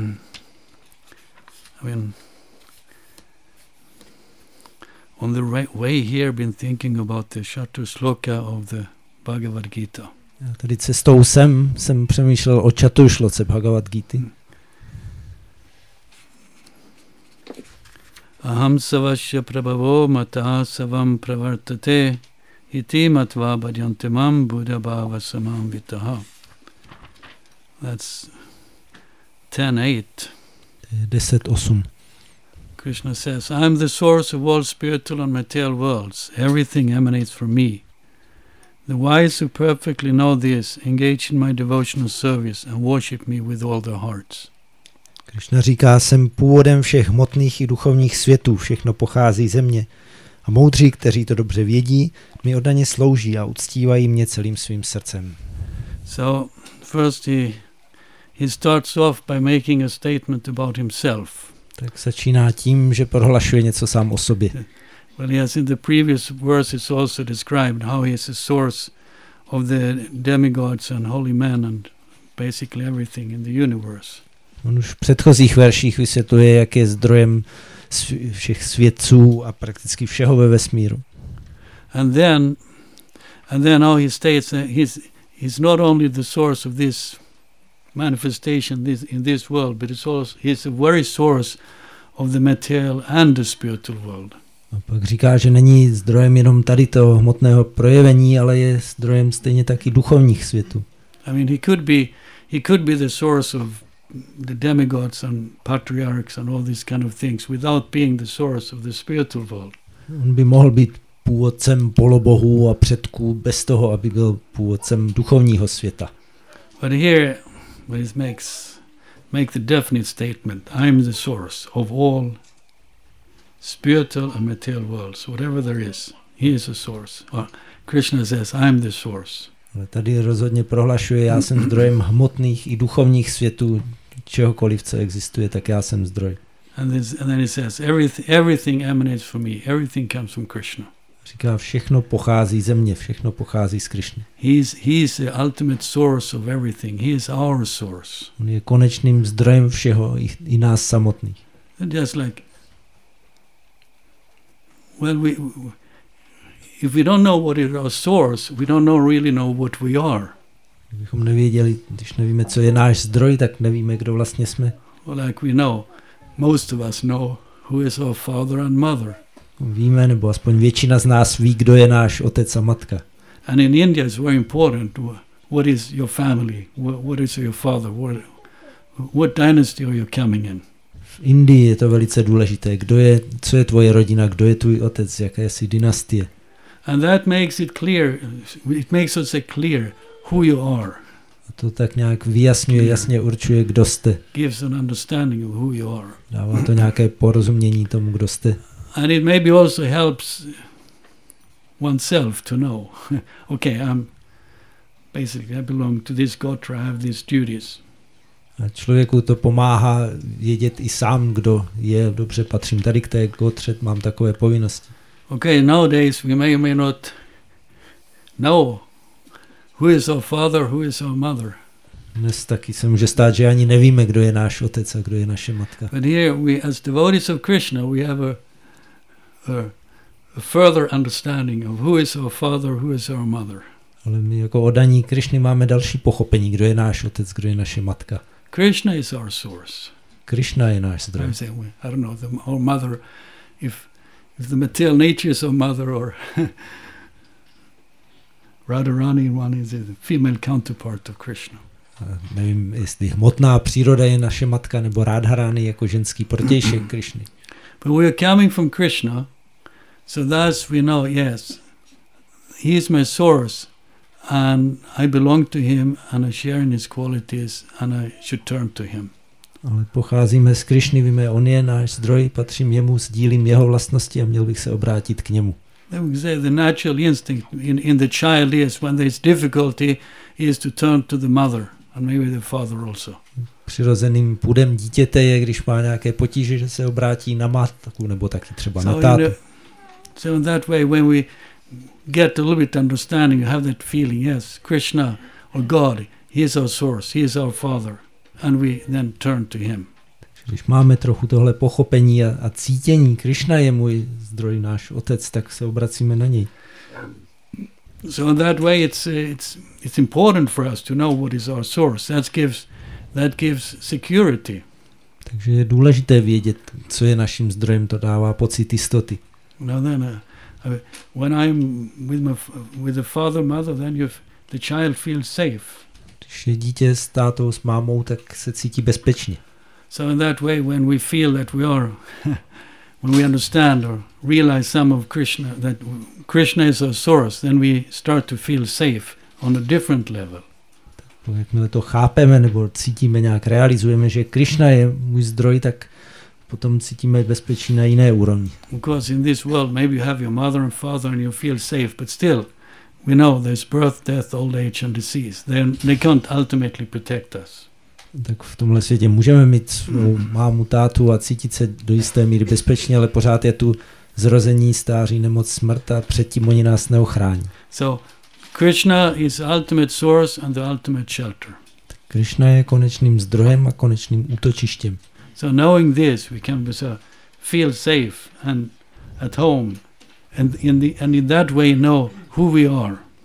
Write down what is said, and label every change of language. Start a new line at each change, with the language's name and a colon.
English: Okay. I mean, on the right way here, been thinking about the Chatur Shloka of the Bhagavad Gita.
Czech: Tady cestou sem jsem přemýšlel o Chatur Shloce Bhagavad Gita.
Sanskrit: Aham savasya prabhavo mata savam pravartate iti matva bhajantimam buddha bhava samam vitaha.
English: That's 10.8. 10.8. Krishna says, I am the source of all spiritual and material worlds. Everything emanates from me. The wise who perfectly know this engage in my devotional service and worship me with all their hearts.
Czech: Krishna říká, jsem původem všech hmotných i duchovních světů, všechno pochází ze mě. A moudří, kteří to dobře vědí, mi oddaně slouží a uctívají mě celým svým srdcem.
English: So, first he starts off by making a statement about himself.
Czech: Tak začíná tím, že prohlašuje něco sám o sobě.
English: Well, yes, in the previous verse it's also described how he is a source of the demigods and holy men and basically everything in the universe.
Czech: On už v předchozích verších vysvětluje, jak je zdrojem všech světců a prakticky všeho ve vesmíru.
English: And then all he states that he's not only the source of this manifestation in this world, but he's the very source of the material and the spiritual world.
Czech: A pak říká, že není zdrojem jenom tady toho hmotného projevení, ale je zdrojem stejně tak i duchovních světů.
English: I mean, he could be the source of the demigods and patriarchs and all these kind of things without being the source of the spiritual world.
Czech: On by mohl být původcem polobohů a předků bez toho, aby byl původcem duchovního světa.
English: But here it makes the definite statement, I am the source of all spiritual and material worlds, whatever there is, he is the source. Or Krishna says, I am the source.
Czech: Ale tady rozhodně prohlašuje, já jsem zdrojem hmotných i duchovních světů, čehokoliv, co existuje, tak já jsem zdroj.
English: And then he says, everything emanates from me, everything comes from Krishna.
Czech: Říká, všechno pochází ze mě, všechno pochází z Krishny.
English: He is the ultimate source of everything. He is our source.
Czech: On je konečným zdrojem všeho, i nás samotných.
English: And just like, well, if we don't know what is our source, we don't know really know what we are.
Czech: Kdybychom nevěděli, když nevíme, co je náš zdroj, tak nevíme, kdo vlastně jsme.
English: Well, like we know, most of us know who is our father and mother.
Czech: Víme, nebo aspoň většina z nás ví, kdo je náš otec a matka.
English: And in India it's very important what is your family, what is your father, what dynasty are you coming in.
Czech: V Indii je to velice důležité, co je tvoje rodina, kdo je tvůj otec, jaké jsi dynastie.
English: And that makes it clear, it makes us clear who you are.
Czech: A to tak nějak vyjasňuje, jasně určuje, kdo jste.
English: Gives an understanding of who you are.
Czech: Dává to nějaké porozumění tomu, kdo jste.
English: And it maybe also helps oneself to know. Okay, I belong to this gotra, I have these duties.
Czech: A člověku to pomáhá vědět i sám, kdo je, dobře, patřím tady k té gotře, mám takové povinnosti.
English: Okay, nowadays we may or may not know who is our father, who is our mother.
Czech: Dnes taky se může stát, že ani nevíme, kdo je náš otec a kdo je naše matka.
English: But here we, as devotees of Krishna, we have a further understanding of who is our father, who is our mother.
Czech: Ale my jako oddaní Krishny máme další pochopení, kdo je náš otec, kdo je naše matka.
English: Krishna is our source.
Czech: Krishna je náš zdroj.
English: I'm saying, I don't know, our mother, if the material nature is our mother or Radharani one is a female counterpart of Krishna.
Czech: Nevím, jestli hmotná příroda je naše matka nebo Radharani jako ženský protějšek Krishny.
English: But we are coming from Krishna, so thus we know, yes, he is my source, and I belong to him, and I share in his qualities, and I should turn to him.
Czech: Ale pocházíme z Krišny, víme, on je náš zdroj, patřím jemu, sdílím jeho vlastnosti a měl bych se obrátit k němu.
English: The natural instinct in the child is when there's difficulty is to turn to the mother and maybe the father also.
Czech: Přirozeným půdem dítěte je, když má nějaké potíže, že se obrátí na matku nebo taky třeba na tátu.
English: So in that way when we get a little bit understanding, have that feeling, yes, Krishna or God, he is our source, he is our father, and we then turn to him.
Czech: Když máme trochu tohle pochopení a cítění, Krišna je můj zdroj, náš otec, tak se obracíme na něj.
English: So in that way it's important for us to know what is our source. That gives security.
Czech: Takže je důležité vědět, co je naším zdrojem, to dává pocit jistoty.
English: Now then, when I'm with the father, mother, then the child feels safe.
Czech: Když je dítě s tátou, s mámou, tak se cítí bezpečně.
English: So in that way, when we feel that we are, when we understand or realize some of Krishna, that Krishna is our source, then we start to feel safe on a different level.
Czech: Jakmile to chápeme nebo cítíme nějak, realizujeme, že Krishna je můj zdroj, tak potom cítíme bezpečí na jiné úrovni.
English: Because in this world, maybe you have your mother and father and you feel safe, but still, we know there's birth, death, old age and disease. They can't ultimately protect us.
Czech: Tak v tomhle světě můžeme mít svou mámu, tátu a cítit se do jisté míry bezpečně, ale pořád je tu zrození, stáří, nemoc, smrt a předtím oni nás neochrání.
English: So, Krishna is ultimate source and the ultimate shelter.
Czech: Krishna je konečným zdrojem a konečným útočištěm.
English: So knowing this, we can feel safe and at home and in that way know who we are.